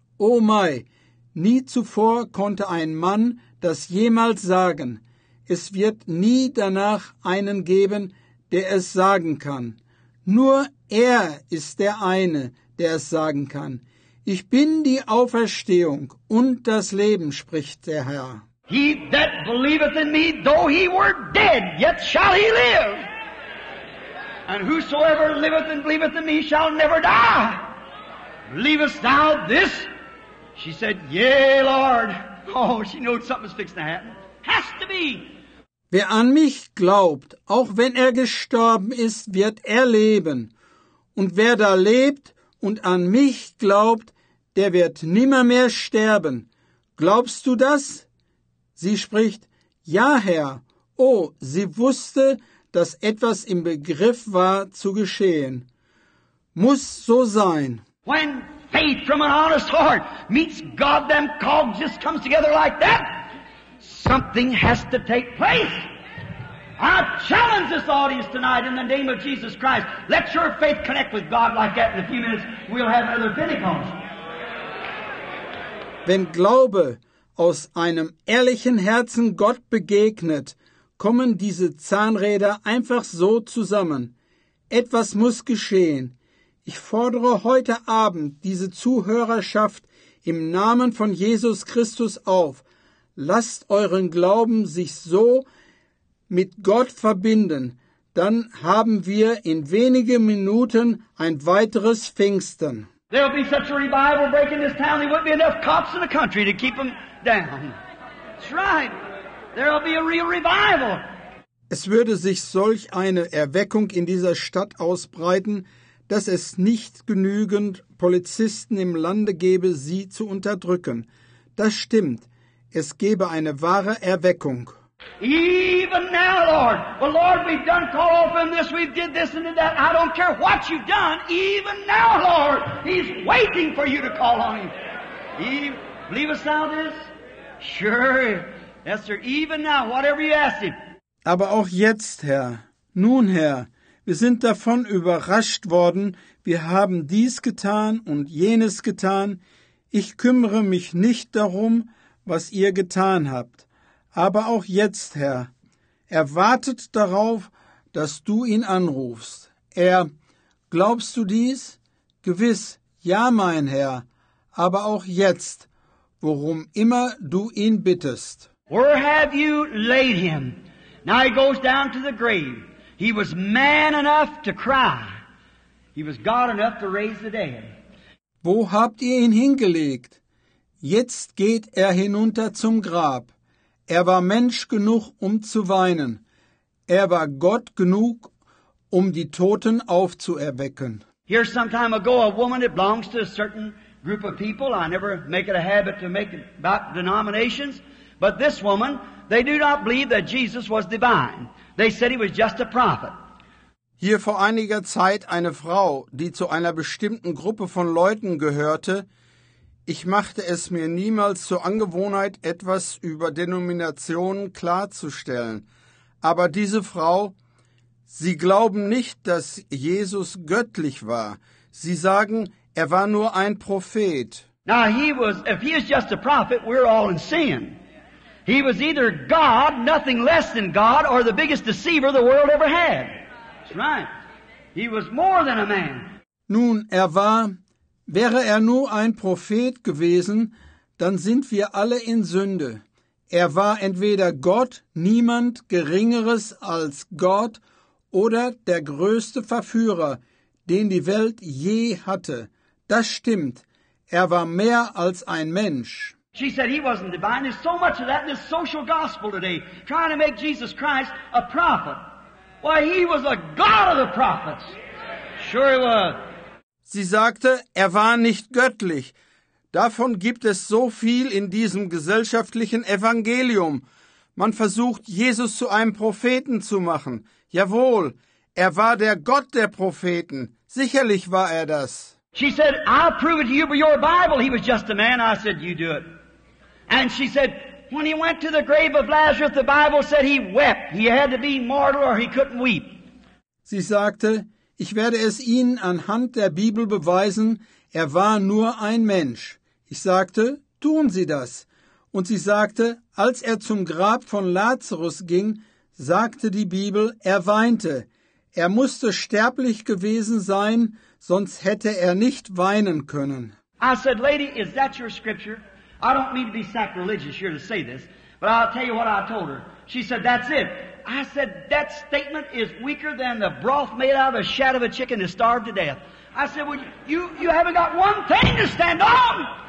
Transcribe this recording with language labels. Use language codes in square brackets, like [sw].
[de] Oh mein, nie zuvor konnte ein Mann das jemals sagen. Es wird nie danach einen geben, der es sagen kann. Nur er ist der eine, der es sagen kann. Ich bin die Auferstehung und das Leben, spricht der Herr. [en] He that believeth in me, though he were dead, yet shall he live. And whosoever liveth and believeth in me shall never die. Believest thou this? She said, yea, Lord. Oh, she knows something's fixed to happen. Has to be. [de] Wer an mich glaubt, auch wenn er gestorben ist, wird er leben. Und wer da lebt und an mich glaubt, der wird nimmermehr sterben. Glaubst du das? Sie spricht, ja, Herr. Oh, sie wusste, dass etwas im Begriff war zu geschehen. Muss so sein. [en] When faith from an honest heart meets God, them cogs just comes together like that. Something has to take place. I challenge this audience tonight in the name of Jesus Christ. Let your faith connect with God like that. In a few minutes, we'll have another Pentecost. [de] Wenn Glaube aus einem ehrlichen Herzen Gott begegnet, kommen diese Zahnräder einfach so zusammen. Etwas muss geschehen. Ich fordere heute Abend diese Zuhörerschaft im Namen von Jesus Christus auf. Lasst euren Glauben sich so mit Gott verbinden. Dann haben wir in wenigen Minuten ein weiteres Pfingsten. [en] There'll be such a revival breaking this town, there wouldn't be enough cops in the country to keep them down. That's right. There'll be a real revival. [de] Es würde sich solch eine Erweckung in dieser Stadt ausbreiten, dass es nicht genügend Polizisten im Lande gäbe, sie zu unterdrücken. Das stimmt. Es gäbe eine wahre Erweckung. [en] Even now, Lord. Well, Lord, we've done call off in this, we've did this and did that. I don't care what you've done. Even now, Lord, he's waiting for you to call on him. Eve, believest thou this? Sure. Esther, even now, whatever you ask him. [de] Aber auch jetzt, Herr. Nun, Herr, wir sind davon überrascht worden. Wir haben dies getan und jenes getan. Ich kümmere mich nicht darum, was ihr getan habt. Aber auch jetzt, Herr, er wartet darauf, dass du ihn anrufst. Er, glaubst du dies? Gewiss, ja, mein Herr, aber auch jetzt, worum immer du ihn bittest. [en] Where have you laid him? Now he goes down to the grave. He was man enough to cry. He was God enough to raise the dead. [de] Wo habt ihr ihn hingelegt? Jetzt geht er hinunter zum Grab. Er war Mensch genug, um zu weinen. Er war Gott genug, um die Toten aufzuerwecken. [en] Here some time ago, a woman that belongs to a certain group of people. I never make it a habit to make it about denominations. But this woman, they do not believe that Jesus was divine. They said he was just a prophet. [de] Hier vor einiger Zeit eine Frau, die zu einer bestimmten Gruppe von Leuten gehörte. Ich machte es mir niemals zur Angewohnheit, etwas über Denominationen klarzustellen. Aber diese Frau, sie glauben nicht, dass Jesus göttlich war. Sie sagen, er war nur ein Prophet. [en] Now he was, if he is just a prophet, we're all in sin. He was either God, nothing less than God, or the biggest deceiver the world ever had. That's right. He was more than a man. [de] Nun, er war... Wäre er nur ein Prophet gewesen, dann sind wir alle in Sünde. Er war entweder Gott, niemand Geringeres als Gott, oder der größte Verführer, den die Welt je hatte. Das stimmt. Er war mehr als ein Mensch. [en] She said he wasn't divine. There's so much of that in this social gospel today, trying to make Jesus Christ a prophet. Why, he was a God of the prophets. Sure he was. [de] Sie sagte, er war nicht göttlich. Davon gibt es so viel in diesem gesellschaftlichen Evangelium. Man versucht, Jesus zu einem Propheten zu machen. Jawohl, er war der Gott der Propheten. Sicherlich war er das. [en] She said, I'll prove it to you by your Bible. He was just a man. I said, you do it. And she said, when he went to the grave of Lazarus, the Bible said he wept. He had to be mortal or he couldn't weep. [de] Sie sagte, ich werde es Ihnen anhand der Bibel beweisen, er war nur ein Mensch. Ich sagte, tun Sie das. Und sie sagte, als er zum Grab von Lazarus ging, sagte die Bibel, er weinte. Er musste sterblich gewesen sein, sonst hätte er nicht weinen können. [en] I said, lady, is that your scripture? I don't mean to be sacrilegious here to say this, but I'll tell you what I told her. She said, that's it. I said, that statement is weaker than the broth made out of a shad of a chicken that starved to death. I said, well, you haven't got one thing to stand on.